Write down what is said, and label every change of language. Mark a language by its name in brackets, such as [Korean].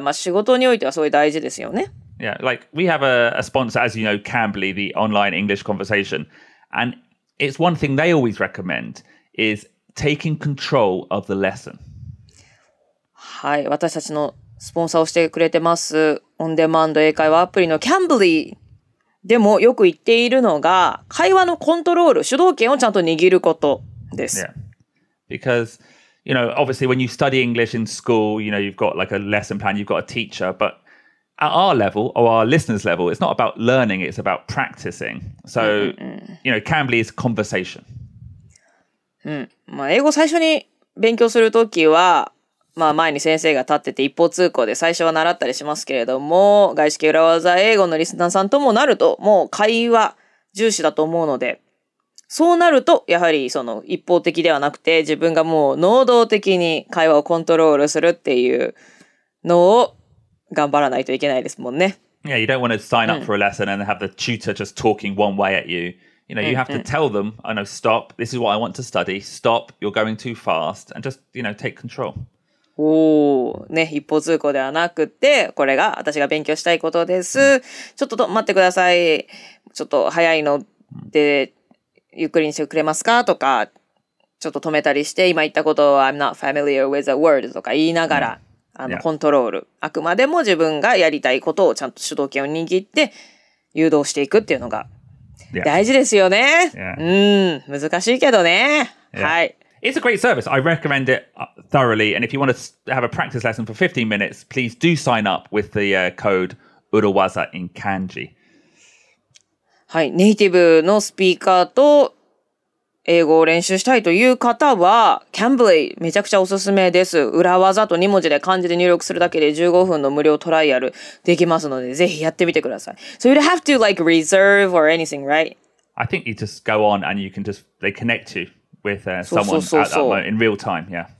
[English] yeah. [Japanese] まあ仕事においてはすごい大事ですよね。 [English] Yeah, like we have a sponsor, as you know, Cambly, the online English conversation, and it's one thing they always recommend is taking control of the lesson. [Japanese] はい、私たちのスポンサーをしてくれてますオンデマンド英会話アプリのキャンブリーでもよく言っているのが、会話のコントロール主導権をちゃんと握ることです。 [English] Yeah. Because, you know, obviously when you study English in school, you know, you've got like a lesson plan, you've got a teacher, but at our level or our listeners level, it's not about learning, it's about practicing. So, you know, Cambly is conversation. [Japanese] まあ英語最初に勉強するときはまあ、前に先生が立ってて一方通行で最初は習ったりしますけれども、外資系裏技英語のリスナーさんともなるともう会話重視だと思うので、そうなるとやはりその一方的ではなくて自分がもう能動的に会話をコントロールするっていうのを頑張らないといけないですもんね。 [English] Yeah, you don't want to sign up for a lesson and have the tutor just talking one way at you. You know, you have to tell them, I know, stop, this is what I want to study, stop, you're going too fast, and just, you know, take control. [Japanese] おお、ね、一方通行ではなくて、これが私が勉強したいことです。ちょっと待ってください。ちょっと早いので、ゆっくりにしてくれますかとか、ちょっと止めたりして、今言ったことを I'm not familiar with the word とか言いながら、あの、コントロール。あくまでも自分がやりたいことをちゃんと主導権を握って、誘導していくっていうのが、大事ですよね。 [English] Yeah. [Japanese] うん、難しいけどね。Yeah. はい。 [English] It's a great service. I recommend it thoroughly. And if you want to have a practice lesson for 15 minutes, please do sign up with the code URAWAZA in kanji. [Japanese] はい、ネイティブのスピーカーと英語を練習したいという方は、Cambly めちゃくちゃおすすめです。裏技と2文字で漢字で入力するだけで15分の無料トライアルできますので、ぜひやってみてください。 [English] So you don't have to like reserve or anything, right? I think you just go on and you can just, they connect you with someone at that moment in real time, yeah.